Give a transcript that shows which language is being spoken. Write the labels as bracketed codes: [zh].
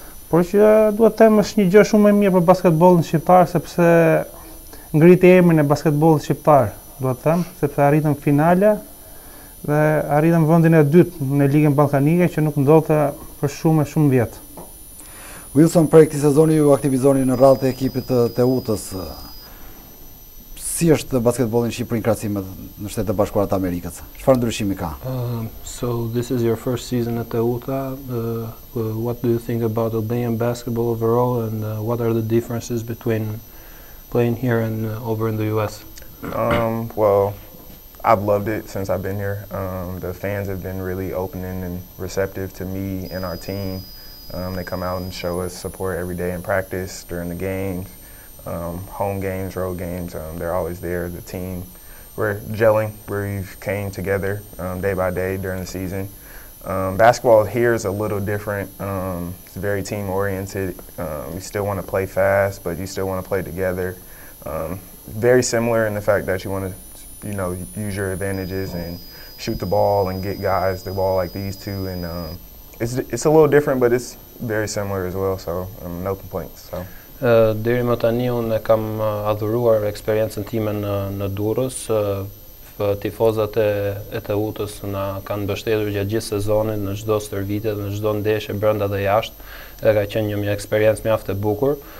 [sq] Por që duhet të temë është një gjë shumë e mirë për basketbolin shqiptar, sepse ngritë e emrin e basketbolin shqiptar, duhet të temë, sepse arritëm finale dhe arritëm vendin e dytë në Ligën Ballkanike që nuk ndodhte për shumë vjet. Wilson, për këtë sezon ju aktivizoni në rradhë të ekipit të Teutës. Si është basketbolli në Shqipëri krahasim me Shtetet e Bashkuara të Amerikës? Çfarë ndryshimi ka? [en] So this is your first season at Teuta. What do you think about Albanian basketball overall and what are the differences between playing here and over in the US? Well, I've loved it since I've been here. The fans have been really opening and receptive to me and our team. They come out and show us support every day in practice, during the games, home games, road games. They're always there, the team. We're gelling. We've came together day by day during the season. Basketball here is a little different. It's very team oriented. You still want to play fast, but you still want to play together. Very similar in the fact that you want to, you know, use your advantages and shoot the ball and get guys the ball like these two, and it's a little different, but it's very similar as well, so no complaints. So [sq] deri më tani unë kam adhuruar eksperiencën time në Durrës. Tifozat e Teutës na kanë mbështetur gjatë gjithë sezonit në çdo stërvitje dhe në çdo ndeshje brenda dhe jashtë, dhe ka qenë një eksperiencë mjaft e bukur.